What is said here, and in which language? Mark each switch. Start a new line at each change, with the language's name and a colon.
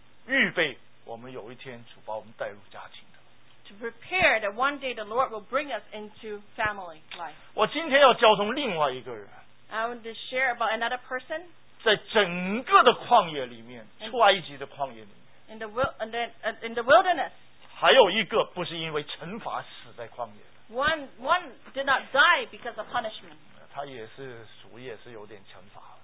Chinese: 预备我们有一天主把我们带入家庭的。
English: To prepare that one day the Lord will bring us into family life.
Chinese: 我今天要交通另外一个人。
English: I want to share about another person.
Chinese: 在整个的旷野里面，出埃及的旷野里面。
English: In the wilderness.
Chinese: 还有一个不是因为惩罚死在旷野。
English: One did not die because of punishment.
Chinese: 他也是属于也是有点惩罚。